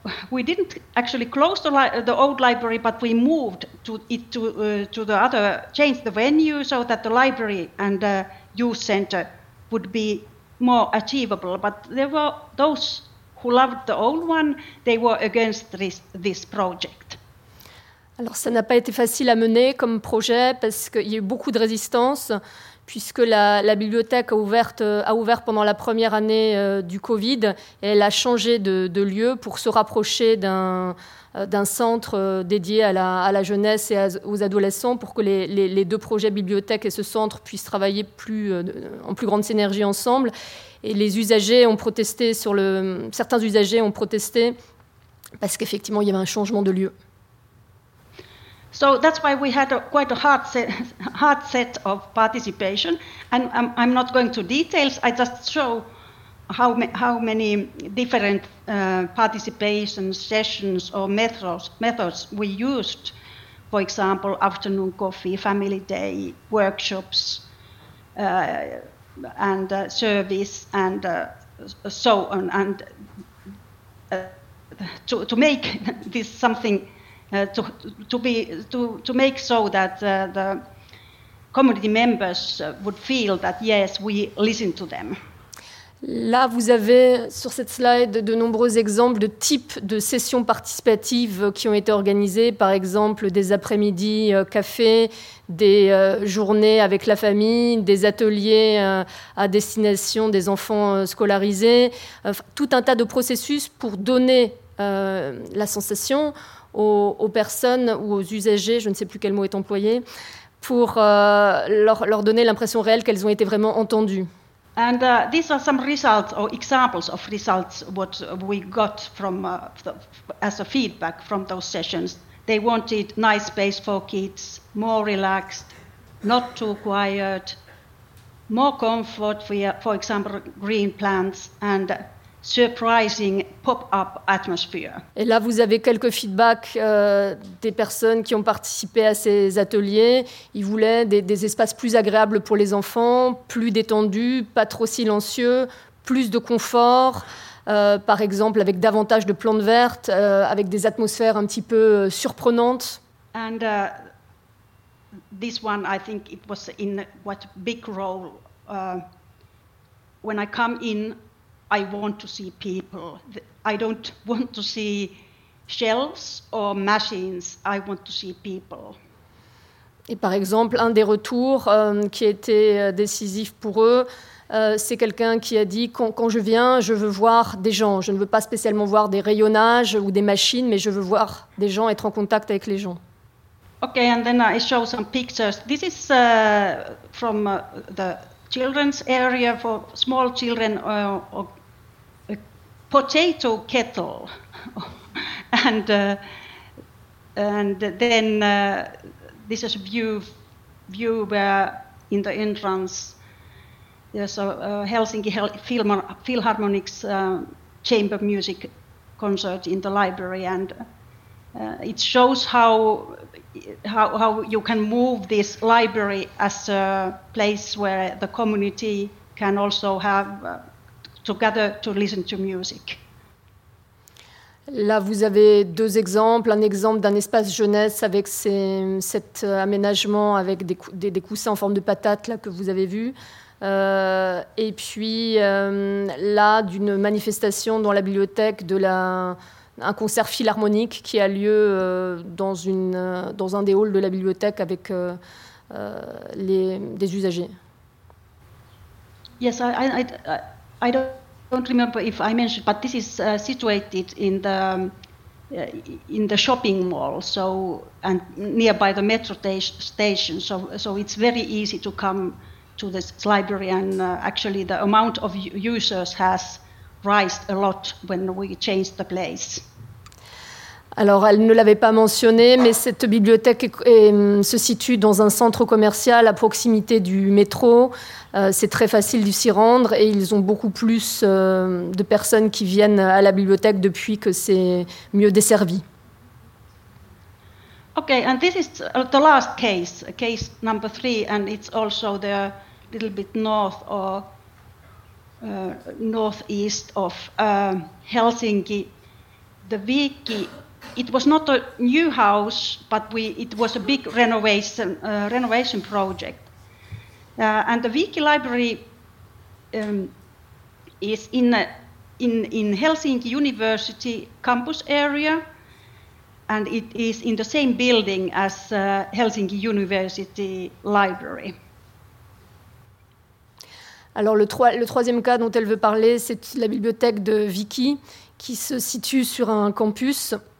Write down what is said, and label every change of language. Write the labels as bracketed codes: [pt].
[en] We didn't actually close the old library, but we moved to the other, changed the venue so that the library and the youth center would be more achievable. But there were those who loved the old one, they were against this project. [fr] Alors ça n'a pas été facile à mener comme projet parce qu'il y a eu beaucoup de résistance. Puisque la bibliothèque a ouvert pendant la première année du Covid, et elle a changé de lieu pour se rapprocher d'un centre dédié à la jeunesse et aux adolescents pour que les deux projets bibliothèque et ce centre puissent travailler en plus grande synergie ensemble. Et les usagers ont protesté certains usagers ont protesté parce qu'effectivement il y avait un changement de lieu. [en] So that's why we had quite a hard set of participation, and I'm not going to details. I just show how many different participation sessions or methods we used. For example, afternoon coffee, family day, workshops, and service, and so on, and to make this something. To make so that the community members would feel that yes, we listen to them. [fr] Là, vous avez sur cette slide de nombreux exemples de types de sessions participatives qui ont été organisées, par exemple des après-midi café, des journées avec la famille, des ateliers à destination des enfants scolarisés, tout un tas de processus pour donner la sensation aux personnes ou aux usagers, je ne sais plus quel mot est employé, pour leur donner l'impression réelle qu'elles ont été vraiment entendues. [en] And these are some results or examples of results what we got from as a feedback from those sessions. They wanted nice space for kids, more relaxed, not too quiet, more comfort for example green plants and surprising pop-up atmosphere. [fr] Et là, vous avez quelques feedbacks des personnes qui ont participé à ces ateliers. Ils voulaient des espaces plus agréables pour les enfants, plus détendus, pas trop silencieux, plus de confort, par exemple avec davantage de plantes vertes, avec des atmosphères un petit peu surprenantes. [en] And this one, I think it was in what big role. When I come in, I want to see people. I don't want to see shelves or machines. I want to see people. [fr] Et par exemple, un des retours qui était décisif pour eux, c'est quelqu'un qui a dit quand je viens, je veux voir des gens. Je ne veux pas spécialement voir des rayonnages ou des machines, mais je veux voir des gens, être en contact avec les gens. [en] Okay, and then I show some pictures. This is from the children's area for small children, a potato kettle, and then this is a view where in the entrance there's a Helsinki Philharmonic's chamber music concert in the library, and it shows how you can move this library as a place where the community can also have together to listen to music. [fr] Là, vous avez deux exemples. Un exemple d'un espace jeunesse avec cet aménagement avec des coussins en forme de patate là, que vous avez vu. Et puis là, d'une manifestation dans la bibliothèque de la... un concert philharmonique qui a lieu dans un des halls de la bibliothèque avec des usagers. [en] Yes, I don't remember if I mentioned, but this is situated in the shopping mall, so and nearby the metro station, so it's very easy to come to this library, and actually the amount of users has risen a lot when we changed the place. [fr] Alors, elle ne l'avait pas mentionné, mais cette bibliothèque se situe dans un centre commercial à proximité du métro. C'est très facile de s'y rendre et ils ont beaucoup plus de personnes qui viennent à la bibliothèque depuis que c'est mieux desservi. [en] OK, and this is the last case, case number 3, and it's also the little bit north or northeast of Helsinki, the Viikki. It was not a new house, but it was a big renovation project. And the Viikki Library is in Helsinki University campus area, and it is in the same building as Helsinki University Library. [fr] Alors le troisième cas dont elle veut parler, c'est la bibliothèque de Viikki, qui se situe sur un campus.